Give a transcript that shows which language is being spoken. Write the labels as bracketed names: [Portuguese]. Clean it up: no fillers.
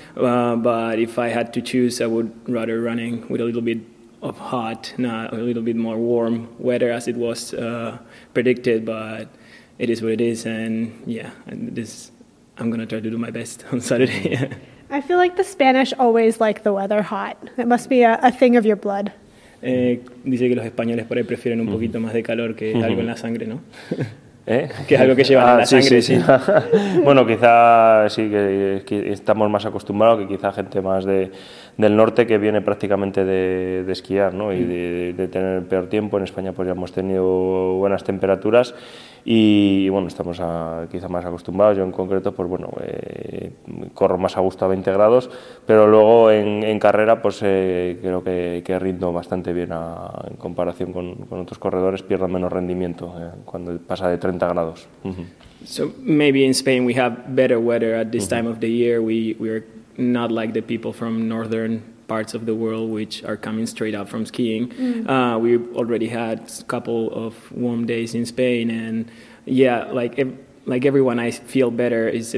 [English] But if I had to choose, I would rather running with a little bit of hot, not a little bit more warm weather as it was predicted, but it is what it is, I'm going to try to do my best on Saturday. I feel like the Spanish always like the weather hot. It must be a thing of your blood. [Spanish] Dice que los españoles por ahí prefieren un poquito más de calor que algo en la sangre, ¿no? ¿Eh? Que es algo que llevan en la sangre. Sí. Bueno, quizá sí, que estamos más acostumbrados, que quizá gente más del norte que viene prácticamente de esquiar, ¿no? Y de tener el peor tiempo. En España pues ya hemos tenido buenas temperaturas. Y bueno, estamos quizá más acostumbrados. Yo en concreto, pues bueno, corro más a gusto a 20 grados, pero luego en carrera pues creo que rindo bastante bien en comparación con otros corredores. Pierdo menos rendimiento cuando pasa de 30 grados. [English] So maybe in Spain we have better weather at this time of the year. We are not like the people from northern parts of the world, which are coming straight up from skiing. We already had a couple of warm days in Spain, and yeah, like everyone, I feel better.